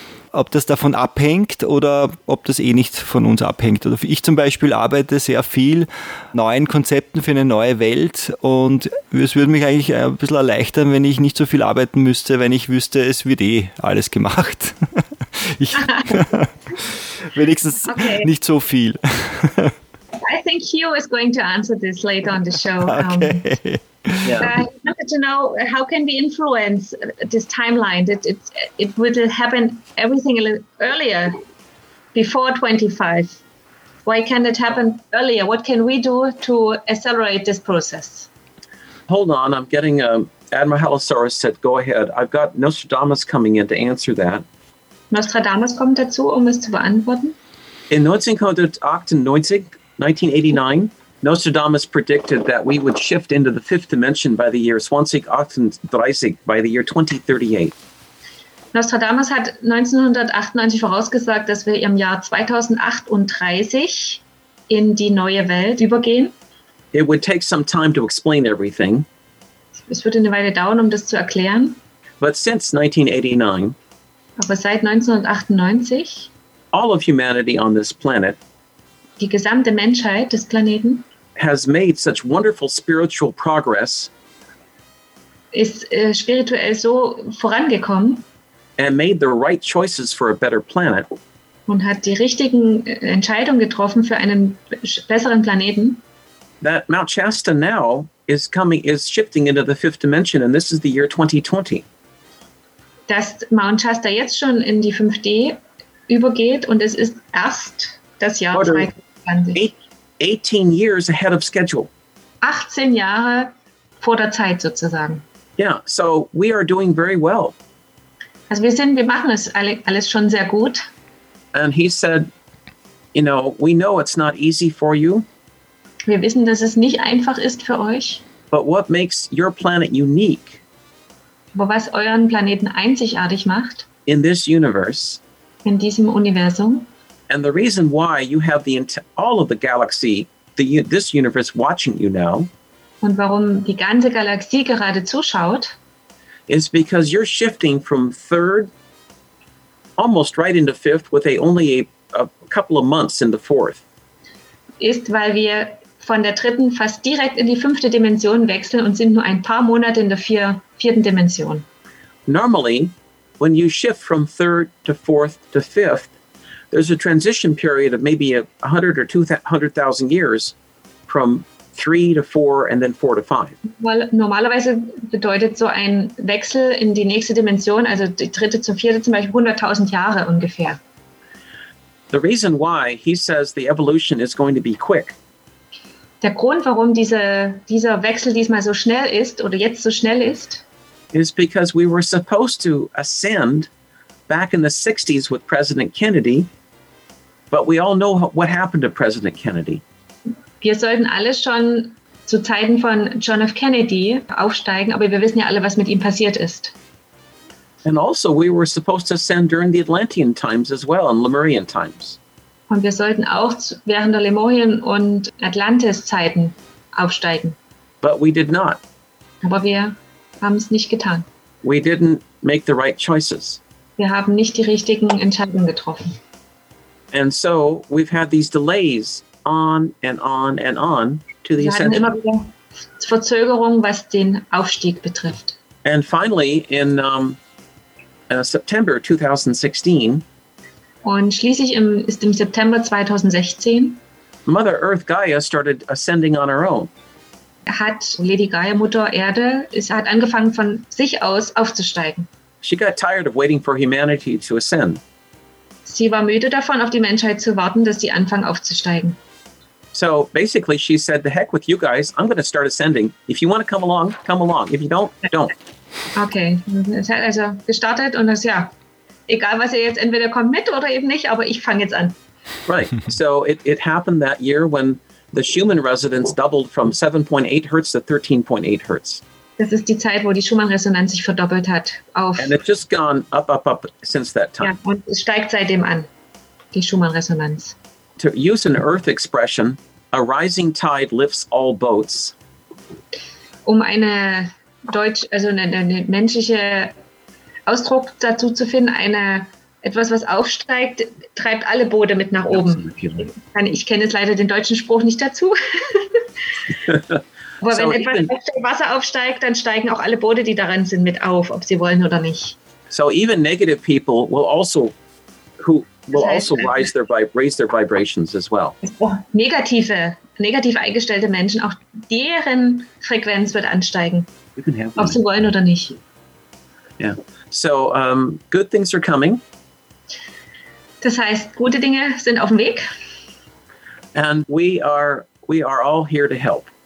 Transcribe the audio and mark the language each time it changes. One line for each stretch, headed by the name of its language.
German: Ob das davon abhängt oder ob das eh nicht von uns abhängt. Ich zum Beispiel arbeite sehr viel neuen Konzepten für eine neue Welt und es würde mich eigentlich ein bisschen erleichtern, wenn ich nicht so viel arbeiten müsste, wenn ich wüsste, es wird eh alles gemacht. Wenigstens nicht so viel.
English: I think Hugh is going to answer this later on the show. Okay. I wanted to know how can we influence this timeline? It would happen everything a little earlier, before 25. Why can it happen earlier? What can we do to accelerate this process? Hold on, I'm getting Admiral Halosaurus said, go ahead. I've got Nostradamus coming in to answer that.
German: Nostradamus kommt dazu, es zu beantworten.
English: In 1998, 1989, Nostradamus predicted that we would shift into the fifth dimension by the year 2038, by the year 2038.
German: Nostradamus hat 1998 vorausgesagt, dass wir im Jahr 2038 in die neue Welt übergehen.
English: It would take some time to explain everything.
German: Es würde eine Weile dauern, das zu erklären.
English: But since 1989,
German: aber seit 1998,
English: all of humanity on this planet,
German: die gesamte Menschheit des Planeten
English: has made such wonderful spiritual progress,
German: ist spirituell so vorangekommen
English: and made the right choices for a better planet,
German: und hat die richtigen Entscheidungen getroffen für einen besseren Planeten,
English: that Mount Shasta now is shifting into the fifth dimension and this is the year 2020.
German: Dass Mount Shasta jetzt schon in die 5D übergeht und es ist erst das Jahr 2020.
English: 18 years ahead of schedule.
German: 18 Jahre vor der Zeit sozusagen.
English: Yeah, so we are doing very well.
German: Also wir machen es alles schon sehr gut.
English: And he said, you know, we know it's not easy for you.
German: Wir wissen, dass es nicht einfach ist für euch.
English: But what makes your planet unique?
German: Aber was euren Planeten einzigartig macht?
English: In this universe.
German: In diesem Universum.
English: And the reason why you have all of the galaxy, this universe watching you now,
German: und warum die ganze Galaxie gerade zuschaut,
English: is because you're shifting from third, almost right into fifth, with only a couple of months in the fourth.
German: Ist, weil wir von der dritten fast direkt in die fünfte Dimension wechseln und sind nur ein paar Monate in der vierten Dimension.
English: Normally, when you shift from third to fourth to fifth, there's a transition period of maybe 100 or 200,000 years from 3 to 4 and then 4 to 5.
German: Well, normalerweise bedeutet so ein Wechsel in die nächste Dimension, also die dritte zur vierte, zum Beispiel 100,000 Jahre ungefähr.
English: The reason why he says the evolution is going to be quick.
German: Der Grund, warum dieser Wechsel diesmal so schnell ist oder jetzt so schnell ist,
English: is because we were supposed to ascend back in the 60s with President Kennedy, but we all know what happened to President Kennedy.
German: Wir sollten alle schon zu Zeiten von John F. Kennedy aufsteigen, aber wir wissen ja alle, was mit ihm passiert ist.
English: And also we were supposed to ascend during the Atlantean times as well, and Lemurian times.
German: Und wir sollten auch während der Lemurien und Atlantis Zeiten aufsteigen.
English: But we did not.
German: Aber wir haben es nicht getan.
English: We didn't make the right choices.
German: Wir haben nicht die richtigen Entscheidungen getroffen.
English: And so we've had these delays on and on and on to the ascension.
German: Wir hatten immer wieder Verzögerungen, was den Aufstieg betrifft.
English: And finally, in September 2016.
German: Und schließlich ist im September 2016.
English: Mother Earth Gaia started ascending on her own.
German: Hat Lady Gaia Mutter Erde, sie hat angefangen von sich aus aufzusteigen.
English: She got tired of waiting for humanity to ascend.
German: Sie war müde davon, auf die Menschheit zu warten, dass sie anfangen aufzusteigen.
English: So basically she said, the heck with you guys, I'm going to start ascending. If you want to come along, come along. If you don't, don't.
German: Okay, es hat also gestartet und das, ja, egal was ihr jetzt, entweder kommt mit oder eben nicht, aber ich fange jetzt an.
English: Right, so it happened that year when the Schumann resonance doubled from 7.8 hertz to 13.8 hertz.
German: Das ist die Zeit, wo die Schumann-Resonanz sich verdoppelt hat. Auf
English: And it's just gone up, up, up since that time.
German: Ja, und es steigt seitdem an, die Schumann-Resonanz.
English: To use an Earth expression, a rising tide lifts all boats.
German: Um eine deutsch, also eine menschliche Ausdruck dazu zu finden, eine etwas, was aufsteigt, treibt alle Boote mit nach oben. Ich kenne jetzt leider den deutschen Spruch nicht dazu. Aber wenn etwas auf dem Wasser aufsteigt, dann steigen auch alle Boote, die daran sind, mit auf, ob sie wollen oder nicht.
English: So even negative people will also, who will also raise their vibrations as well.
German: Negativ eingestellte Menschen, auch deren Frequenz wird ansteigen, ob sie wollen oder nicht.
English: Yeah. So good things are coming.
German: Das heißt, gute Dinge sind auf dem Weg.
English: And we are all here to help.